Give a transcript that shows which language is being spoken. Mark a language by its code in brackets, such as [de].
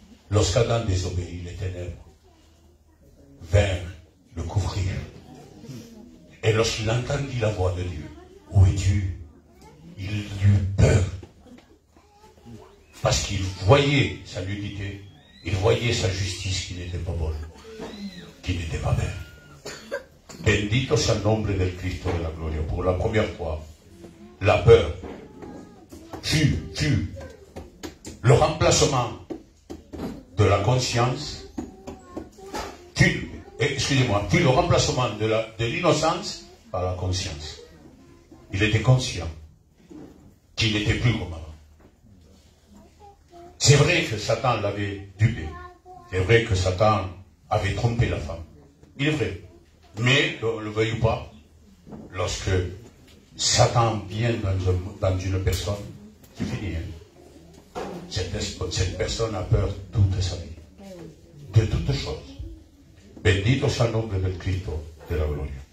[fr] Lorsqu'Adam désobéit, les ténèbres vinrent le couvrir. Et lorsqu'il entendit la voix de Dieu, où es-tu? Il eut peur. Parce qu'il voyait sa nudité, il voyait sa justice qui n'était pas bonne, qui n'était pas belle. [es] Bendito sea el nombre del Cristo de la gloria. [fr] Pour la première fois, la peur tue le remplacement de la conscience, puis le remplacement de l'innocence par la conscience. Il était conscient qu'il n'était plus comme avant. C'est vrai que Satan l'avait dupé. C'est vrai que Satan avait trompé la femme. Il est vrai. Mais, ne le veuille ou pas, lorsque Satan vient dans une personne, c'est fini. Hein. Cette personne a peur toute sa vie. De toutes choses. [es] Bendito sea el nombre del Cristo de la gloria.